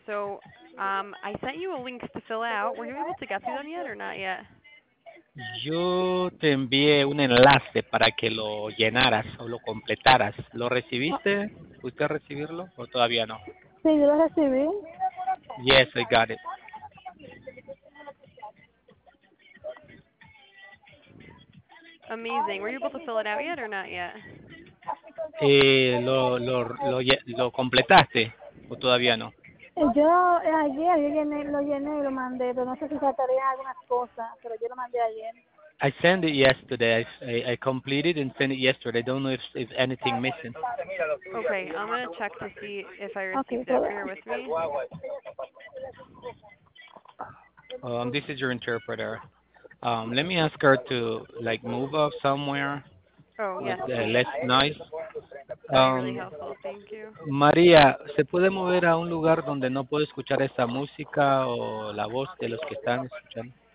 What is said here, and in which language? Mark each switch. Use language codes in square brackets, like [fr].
[en] So I sent you a link to fill out. Were you able to get through them yet or not yet? [es] Yo te envié un enlace para que lo llenaras o lo completaras. ¿Lo recibiste? ¿Pudiste recibirlo o todavía no? Sí, yo lo recibí. [en] Yes, I got it. Amazing. Were you able to fill it out yet or not yet? ¿Lo completaste o todavía no? [es] Yo ayer lo llené y lo mandé, pero no sé si faltaré algunas cosas, pero yo lo mandé ayer. [en] I sent it yesterday. I completed and sent it yesterday. I don't know if anything missing. Okay, I'm going to check to see if I received it here with me. This is your interpreter. Let me ask her to, like, move up somewhere. yes. With less noise. Really, [es] María, ¿se puede mover a un lugar donde no puedo escuchar esta música o la voz de los que están escuchando?